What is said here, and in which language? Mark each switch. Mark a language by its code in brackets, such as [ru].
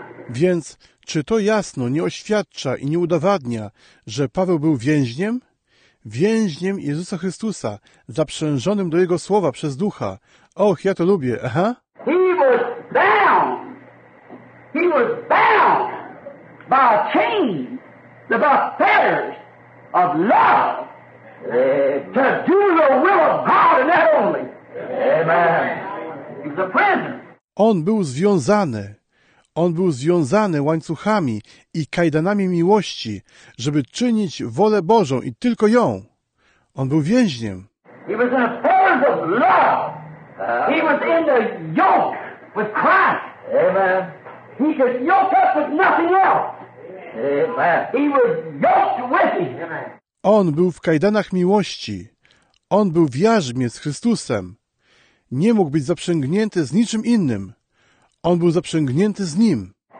[pl] Więc czy to jasno nie oświadcza i nie udowadnia, że Paweł był więźniem? Więźniem Jezusa Chrystusa, zaprzężonym do Jego słowa przez Ducha. Och, ja to lubię, aha. [en] He was bound. He was bound by a chain, by fetters of love. To do the will of God and that only. Amen. He's a prisoner. [pl] On był związany. On był związany łańcuchami i kajdanami miłości, żeby czynić wolę Bożą i tylko ją. On był więźniem. [en] He was in a fetters of love. He was in the yoke with Christ. Amen. He could yoke up with nothing else. Amen. He was yoked with him. [pl] On był w kajdanach miłości. On był w jarzmie z Chrystusem. Nie mógł być zaprzęgnięty z niczym innym. On był zaprzęgnięty z Nim.